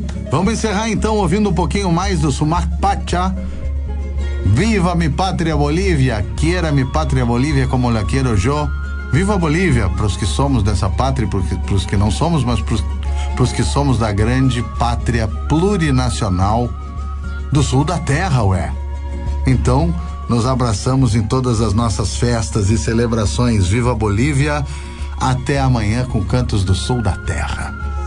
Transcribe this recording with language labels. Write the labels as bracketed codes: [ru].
[pt] Vamos encerrar então ouvindo um pouquinho mais do Sumac Pacha. [es] Viva mi pátria Bolívia, quiera mi pátria Bolívia como la quiero yo. [pt] Viva Bolívia, para os que somos dessa pátria, para os que não somos, mas para os que somos da grande pátria plurinacional do sul da terra, ué. Então, nos abraçamos em todas as nossas festas e celebrações. Viva Bolívia, até amanhã com Cantos do Sul da Terra.